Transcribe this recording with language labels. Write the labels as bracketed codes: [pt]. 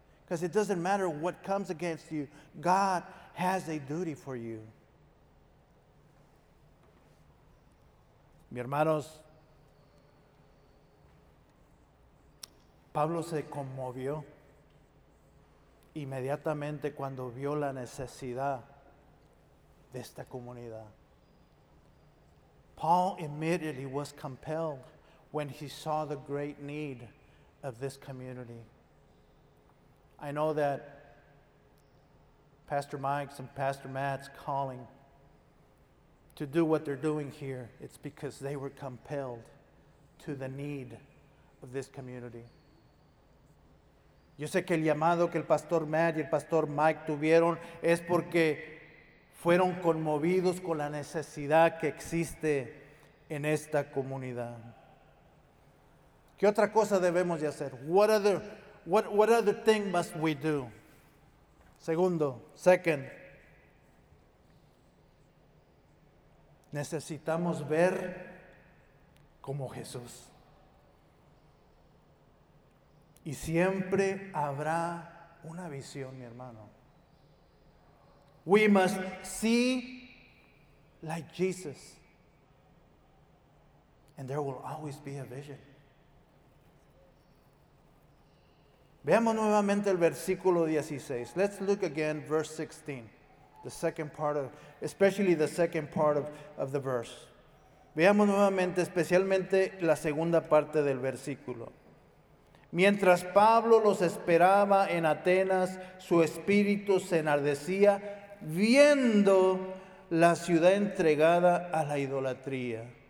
[en] Because it doesn't matter what comes against you, God has a duty for you. [es] Mis hermanos, Pablo se conmovió inmediatamente cuando vio la necesidad de esta comunidad. [en] Paul immediately was compelled when he saw the great need of this community. I know that Pastor Mike's and Pastor Matt's calling to do what they're doing here, it's because they were compelled to the need of this community. [es] Yo sé que el llamado que el Pastor Matt y el Pastor Mike tuvieron es porque fueron conmovidos con la necesidad que existe en esta comunidad. ¿Qué otra cosa debemos de hacer? [en] What other thing must we do? [es] Second, necesitamos ver como Jesús. Y siempre habrá una visión, mi hermano. [en] We must see like Jesus. And there will always be a vision. [es] Veamos nuevamente el versículo 16. [en] Let's look again verse 16. The second part of, especially the second part of the verse. [es] Veamos nuevamente, especialmente la segunda parte del versículo. Mientras Pablo los esperaba en Atenas, su espíritu se enardecía viendo la ciudad entregada a la idolatría.